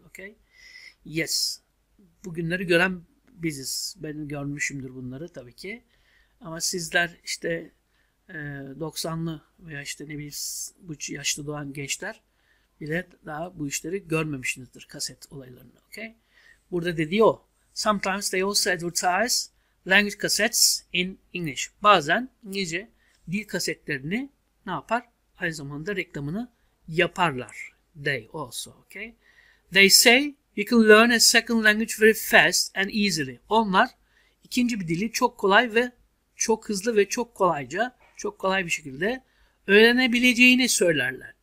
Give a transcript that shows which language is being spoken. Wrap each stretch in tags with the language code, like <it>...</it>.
<en>Okay? Yes.</en> <tr>Bu günleri gören biziz. Ben görmüşümdür bunları tabii ki. Ama sizler işte 90'lı veya işte ne bileyim bu yaşlı doğan gençler bile daha bu işleri görmemişsinizdir kaset olaylarını. Okay? Burada dediği o.</tr> <en>Sometimes they also advertise language cassettes in English.</en> <tr>Bazen İngilizce dil kasetlerini ne yapar? Aynı zamanda reklamını yaparlar.</tr> <en>They also, okay? They say you can learn a second language very fast and easily.</en> <tr>Onlar ikinci bir dili çok kolay ve çok hızlı ve çok kolayca, çok kolay bir şekilde öğrenebileceğini söylerler.</tr>